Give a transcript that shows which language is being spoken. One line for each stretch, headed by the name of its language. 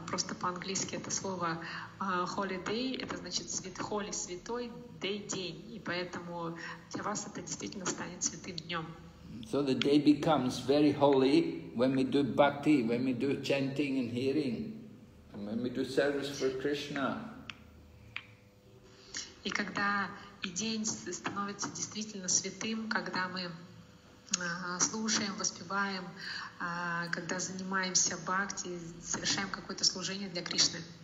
Russian: Просто по-английски это слово holiday, это значит holy, святой, day, день. И поэтому для вас это действительно станет святым днем.
English: So the day becomes very holy when we do bhakti, when we do chanting and hearing, and when we do service for Krishna.
Russian: И когда и день становится действительно святым, когда мы слушаем, воспеваем, когда занимаемся бхакти, совершаем какое-то служение для Кришны.